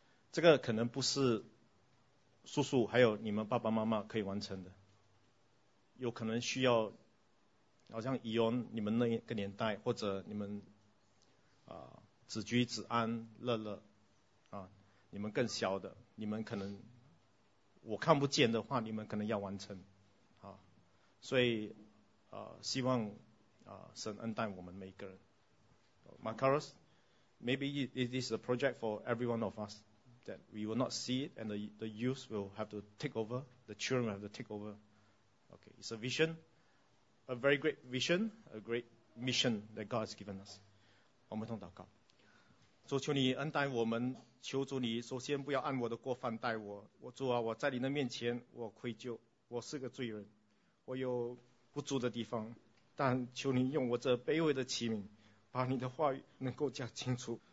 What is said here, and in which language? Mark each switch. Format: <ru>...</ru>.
<zh>这个可能不是叔叔还有你们爸爸妈妈可以完成的，有可能需要好像以往你们那个年代，或者你们子居子安乐乐你们更小的，你们可能我看不见的话，你们可能要完成所以希望神恩待我们每一个人。</zh> <en>Marcus, maybe it is a project for every one of us that we will not see it, and the youth will have to take over, the children will have to take overOkay, it's a vision, a very great vision, a great mission that God has given us.</en> <zh>我们同祷告。主，求你恩待我们，求主你首先不要按我的过犯待我。我主啊，我在你的面前，我愧疚，我是个罪人，我有不足的地方，但求你用我这卑微的器皿，把你的话语能够讲清楚。</zh>